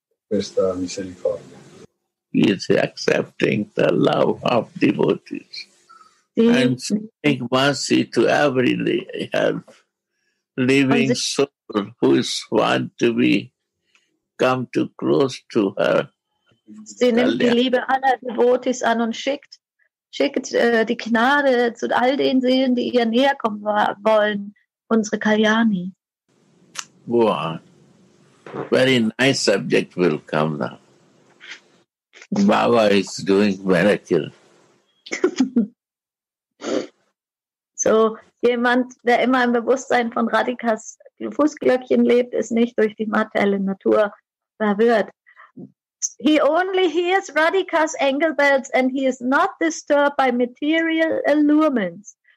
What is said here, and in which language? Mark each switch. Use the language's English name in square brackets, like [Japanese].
[English] He is accepting the love of devotees and sending mercy to every living soul who is want to be come to close to her. [German] Sie nimmt die Liebe aller Devotees an und schickt die Gnade zu all den Seelen, die ihr näher kommen wollen, unsere Kalyani. [English] Wow. Very nice subject will come now. Baba is doing miracle. [German] So, jemand, der immer im Bewusstsein von Radhikas Fußglöckchen lebt, ist nicht durch die materielle Natur verwirrt. [English] He only hears Radhikas angel bells and he is not disturbed by material allurements.